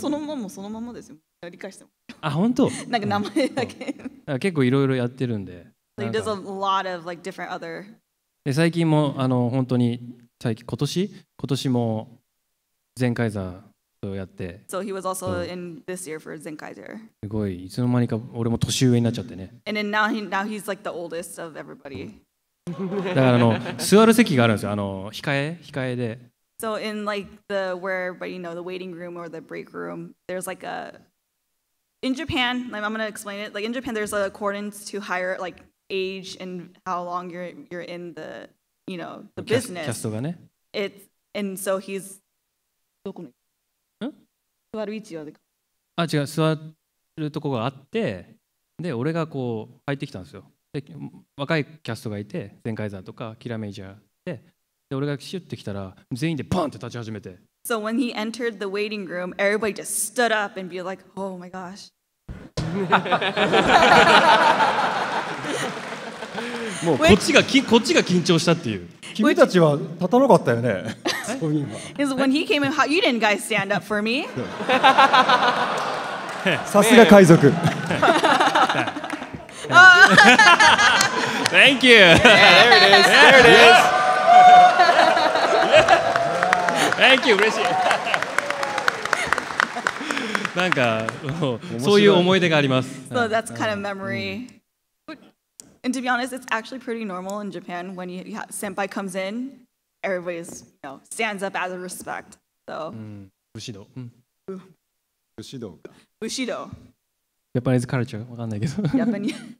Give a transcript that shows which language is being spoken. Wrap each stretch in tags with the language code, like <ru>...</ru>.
<ja>そのままもそのままですよ。理解しても。あ、本当？なんか名前だけ。結構いろいろやってるんで。</ja> <en>So he does a lot of like different other.</en> <ja>で最近もあの本当に最近今年もゼンカイザーをやって。</ja> <en>So he was also in this year for Zenkaiser.</en> <ja>すごいいつの間にか俺も年上になっちゃってね。</ja> <en>And then now he's like the oldest of everybody.</en> <ja>だからあの座る席があるんですよあの控えで。</ja> <en>So in like the where but you know the waiting room or the break room, there's like a in Japan. Like I'm gonna explain it. Like in Japan, there's an accordance to higher like age and how long you're in the you know the business.</en> <ja>キャストがね。</ja> <en>It's and so he's.</en> <ja>どこに？ん？座る位置はで。あ違う座るとこがあってで俺がこう入ってきたんですよ。で若いキャストがいてゼンカイザーとかキラメイジャーで。で俺がシュッて来たら全員でバンって立ち始めて。</ja> <en>So when he entered the waiting room, everybody just stood up and be like, oh my gosh.</en> <ja>もうこっちが緊張したっていう。君たちは立たなかったよね。そういうの。</ja> <en>Is when he came in, you didn't guys stand up for me?</en> <ja>さすが海賊。</ja> <en>Thank you. Yeah, there it is. Thank you,</en> <ja>嬉しい。なんかそういう思い出があります。</ja> <en>So that's kind of memory. And to be honest, it's actually pretty normal in Japan when senpai comes in, everybody stands up out of respect. So. Bushido. Bushido. Bushido. Japanese culture,</en> <ja>わかんないけど。</ja> <en>Japanese.</en>